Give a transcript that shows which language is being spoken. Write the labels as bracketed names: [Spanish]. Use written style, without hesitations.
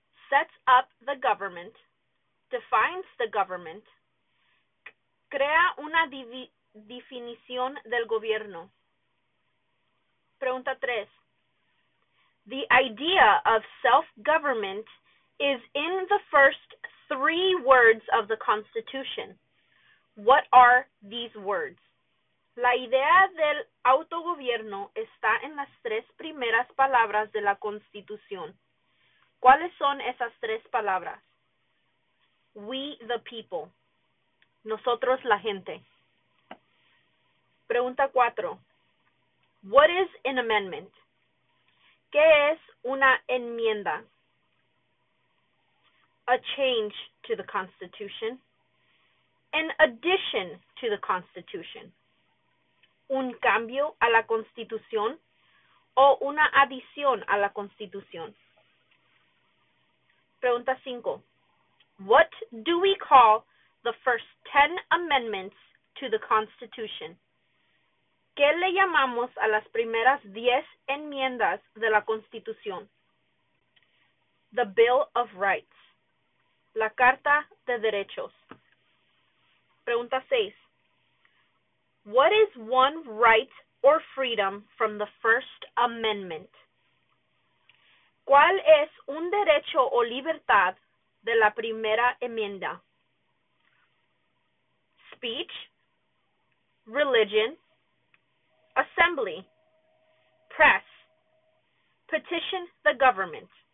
[English] Sets up the government, defines the government, [Spanish] crea una definición del gobierno. Pregunta 3. [English] The idea of self-government is in the first three words of the Constitution. What are these words? [Spanish] La idea del autogobierno está en las tres primeras palabras de la Constitución. ¿Cuáles son esas tres palabras? [English] We the people. [Spanish] Nosotros la gente. Pregunta 4. [English] What is an amendment? [Spanish] ¿Qué es una enmienda? [English] A change to the Constitution. An addition to the Constitution. [Spanish] ¿Un cambio a la Constitución o una adición a la Constitución? Pregunta 5. [English] What do we call the first 10 amendments to the Constitution? [Spanish] ¿Qué le llamamos a las primeras 10 enmiendas de la Constitución? [English] The Bill of Rights. [Spanish] La Carta de Derechos. Pregunta 6. [English] What is one right or freedom from the First Amendment? [Spanish] ¿Cuál es un derecho o libertad de la primera enmienda? [English] Speech, religion, assembly, press, petition the government.